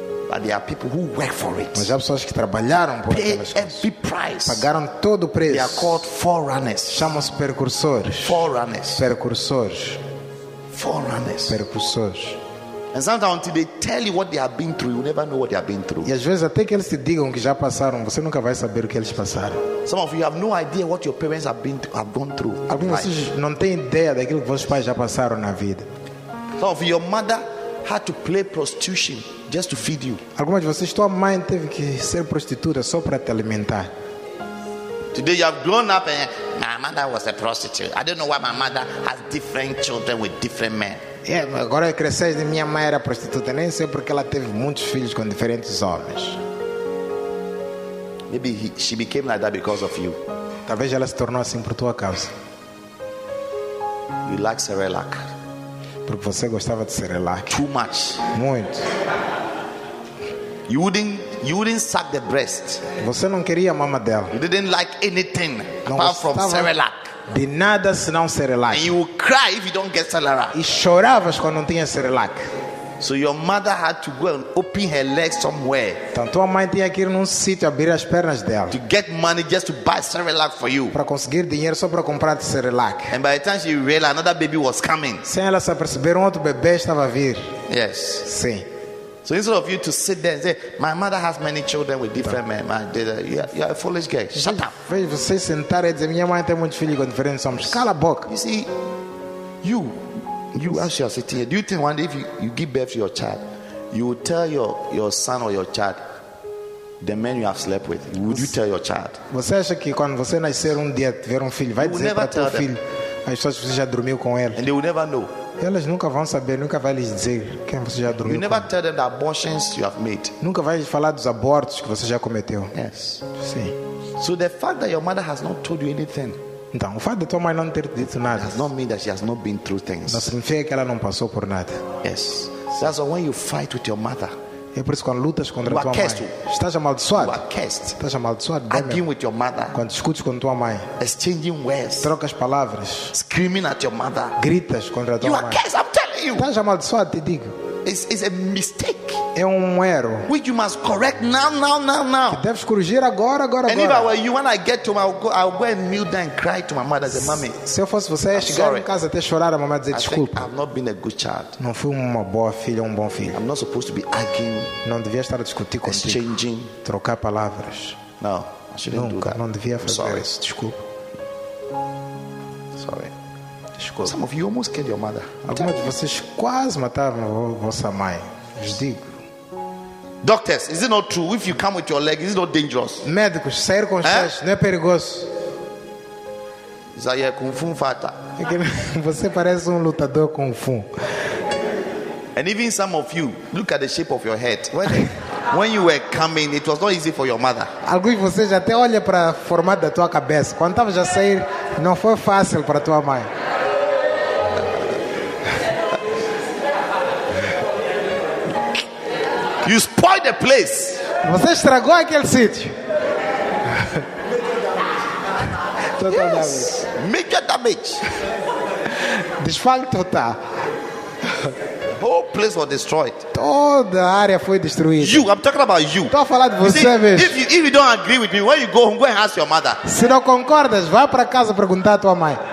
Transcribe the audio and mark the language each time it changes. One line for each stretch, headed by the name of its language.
English: But there are people who work for it.
Portuguese: Mas há pessoas que trabalharam por
English: every price.
Portuguese: Pagaram todo o preço.
English: They are called forerunners.
Portuguese: Chamam-se precursores.
English: Forerunners.
Portuguese: Percursores.
English: Forerunners.
Portuguese: Percursores.
English: And sometimes until they tell you what they have been through, you never know what they have been through.
Portuguese: E às vezes até que eles te digam que já passaram, você nunca vai saber o que eles passaram.
English: Some of you have no idea what your parents have gone through.
Portuguese: Alguns de vocês não têm ideia daquilo que vossos pais já passaram na vida.
English: Some of your mother had to play prostitution. just to feed you.
Portuguese: Algumas de vocês, tua mãe teve que ser prostituta só para te alimentar.
English: Today you have grown up and my mother was a prostitute. I don't know why my mother has different children with different men.
Portuguese: Yeah, agora cresces e minha mãe era prostituta, nem sei porque ela teve muitos filhos com diferentes homens.
English: Maybe she became like that because of you.
Portuguese: Talvez ela se tornou assim por tua causa.
English: You like Cerelac.
Portuguese: Porque você gostava de Cerelac.
English: Too much.
Portuguese: Muito.
English: You wouldn't suck the breast.
Portuguese: Você não queria a mama dela.
English: You didn't like anything
Portuguese: não
English: apart from Cerelac.
Portuguese: De nada senão Cerelac.
English: And you would cry if you don't get Cerelac.
Portuguese: E choravas quando não tinha Cerelac.
English: So your mother had to go and open her legs somewhere.
Portuguese: Então tua mãe tinha que ir num sítio abrir as pernas dela.
English: To get money just to buy Cerelac for you.
Portuguese: Para conseguir dinheiro só para comprar Cerelac.
English: And by the time she realized another baby was coming.
Portuguese: Sem ela se aperceber, outro bebê estava a vir.
English: Yes.
Portuguese: Sim.
English: So instead of you to sit there and say, my mother has many children with different men, you are a foolish girl. Shut up.
Portuguese: Veja você sentar e dizer minha mãe tem muitos filhos com diferentes homens. Cala a boca.
English: You see, you as you are sitting here, do you think one day if you give birth to your child, you will tell your son or your child the man you have slept with? Would you tell your child?
Portuguese: Você acha que quando você nascer dia tiver filho, vai dizer para teu filho as pessoas que você já dormiu com ele?
English: And they will never know.
Portuguese: Elas nunca vão saber, nunca vai lhes dizer quem você já dormiu.
English: You never tell them the abortions you have made.
Portuguese: Nunca vai falar dos abortos que você já cometeu.
English: Yes.
Portuguese: Sim.
English: So the fact that your mother has not told you anything.
Portuguese: Então, o fato de tua mãe não ter dito nada.
English: Does not mean that she has not been through things.
Portuguese: Não significa que ela não passou por nada.
English: Yes. So that's when you fight with your mother.
Portuguese: É por isso quando lutas contra tua mãe. Estás amaldiçoado. Estás amaldiçoado.
English: Arguing with your mother.
Portuguese: Quando discutes com tua mãe.
English: Exchanging words.
Portuguese: Trocas palavras.
English: Screaming at your mother.
Portuguese: Gritas contra tua
English: you
Portuguese: mãe.
English: You are cursed, I'm telling you.
Portuguese: Estás amaldiçoado, te digo.
English: It's a mistake.
Portuguese: É erro.
English: Which you must correct now.
Portuguese: Que deves corrigir agora.
English: And if I were you, when I get to my, I'll go and kneel down and cry to my mother, say, mommy.
Portuguese: Se eu fosse você, ia chegar em casa até chorar a mamãe dizer desculpa.
English: I've not been a good child.
Portuguese: Não fui uma boa filha, bom filho.
English: I'm not supposed to be arguing.
Portuguese: Não devia estar a discutir contigo.
English: Exchanging.
Portuguese: Trocar palavras.
English: No,
Portuguese: nunca. Não devia fazer isso. Desculpa.
English: Sorry.
Portuguese: Desculpa.
English: Some of you almost killed your mother.
Portuguese: Algumas de vocês quase mataram a vossa mãe. Os digo.
English: Doctors, is it not true? If you come with your leg, is it not dangerous?
Portuguese: Médicos, sair com chás, não é perigoso. Zaya Kung Fu Fata. Você parece lutador Kung Fu.
English: And even some of you, look at the shape of your head. When you were coming, it was not easy for your mother.
Portuguese: Alguns de vocês até olha para o formato da tua cabeça. Quando estava já sair, não foi fácil para tua mãe.
English: You spoiled the place.
Portuguese: Você estragou aquele sítio.
English: Yes. Major damage.
Portuguese: Desfalque total.
English: The whole place was destroyed.
Portuguese: Toda a área foi destruída.
English: You, I'm talking about you.
Portuguese: Estou a falar de você,
English: see,
Portuguese: mesmo.
English: If you don't agree with me, when you go home, go and ask your mother.
Portuguese: Se não concordas, vá para casa perguntar à tua mãe.